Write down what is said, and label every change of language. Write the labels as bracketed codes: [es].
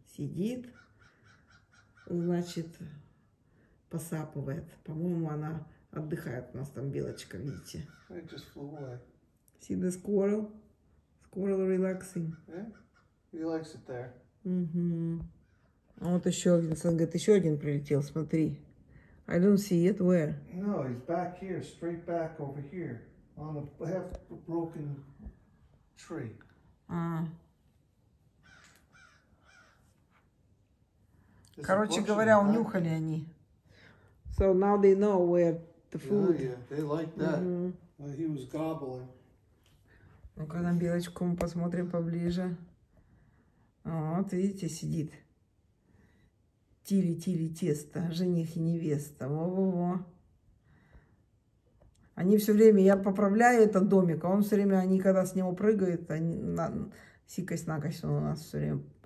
[ru] Сидит, значит, посапывает. По-моему, она отдыхает. У нас там белочка, видите? [en] It just flew away. See the squirrel? Squirrel relaxing. Yeah, he likes it there. Угу. [ru] Вот еще один, он говорит, еще один прилетел, смотри. [en] I don't see it. Where? No, he's back here, straight back over here, on a half broken tree. [ru] Короче говоря, унюхали они. [en] So now they know where the food. Yeah, yeah. They like that. Mm-hmm. He was gobbling. [ru] Ну-ка, на белочку мы посмотрим поближе. Вот, видите, сидит. Тили-тили тесто, жених и невеста. Во-во-во. Они все время, я поправляю этот домик, а он все время, они когда с него прыгают, они, на, сикость-накость он у нас все время.